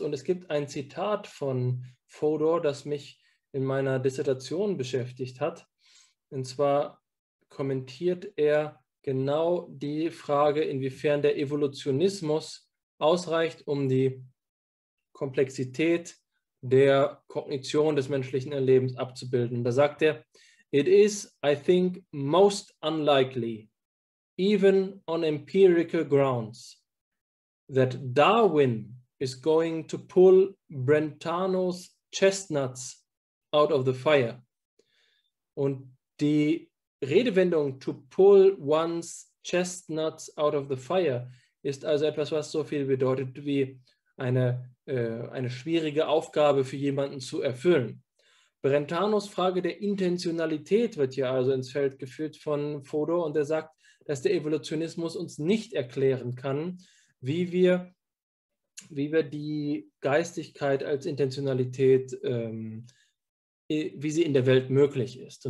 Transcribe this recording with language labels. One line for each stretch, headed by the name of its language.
German: Und es gibt ein Zitat von Fodor, das mich in meiner Dissertation beschäftigt hat. Und zwar kommentiert er genau die Frage, inwiefern der Evolutionismus ausreicht, um die Komplexität der Kognition des menschlichen Erlebens abzubilden. Da sagt er:
English: "It is, I think, most unlikely, even on empirical grounds, that Darwin is going to pull Brentano's chestnuts out of the fire."
German: Und die Redewendung
English: "to pull one's chestnuts out of the fire"
German: ist also etwas, was so viel bedeutet wie eine schwierige Aufgabe für jemanden zu erfüllen. Brentanos Frage der Intentionalität wird hier also ins Feld geführt von Fodor, und er sagt, dass der Evolutionismus uns nicht erklären kann, wie wir die Geistigkeit als Intentionalität, wie sie in der Welt möglich ist.